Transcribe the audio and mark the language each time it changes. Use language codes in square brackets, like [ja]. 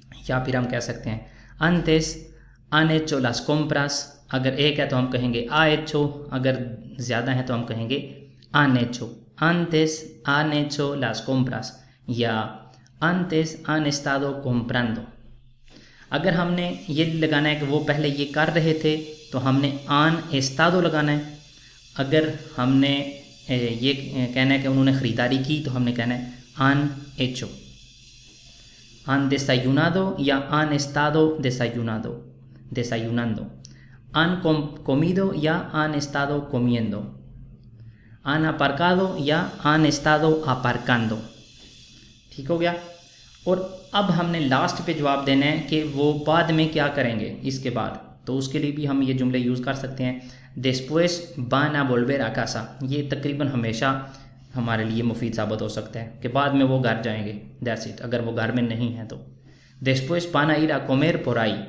[hi] या फिर हम कह सकते हैं [es] अंतेस आन एचो लास कॉम्प्रास, [hi] अगर एक है तो हम कहेंगे [es] आ एचो, [hi] अगर ज़्यादा है तो हम कहेंगे [es] आन एचो, [hi] अंतेस आन एचो लास कॉम्प्रास, या [es] अंतेस आन एस्टाडो कॉम्प्रांडो, [hi] अगर हमने ये लगाना है कि वो पहले ये कर रहे थे तो हमने [es] आन एस्टाडो [hi] लगाना है, अगर हमने ये कहना है कि उन्होंने ख़रीदारी की तो हमने कहना है [es] आन एचो, ¿Han desayunado y han estado desayunando? Desayunando. ¿Han comido y han estado comiendo? ¿Han aparcado y han estado aparcando? [hi] ठीक हो गया। और अब हमने लास्ट पे जवाब देना है कि वो बाद में क्या करेंगे इसके बाद, तो उसके लिए भी हम ये जुमले यूज़ कर सकते हैं। [es] Después van a volver a casa। [hi] ये तकरीबन हमेशा हमारे लिए मुफीद साबित हो सकता है कि बाद में वो घर जाएंगे, [en] that's it, [hi] अगर वो घर में नहीं है तो। [es] Después van a ir a comer por ahí।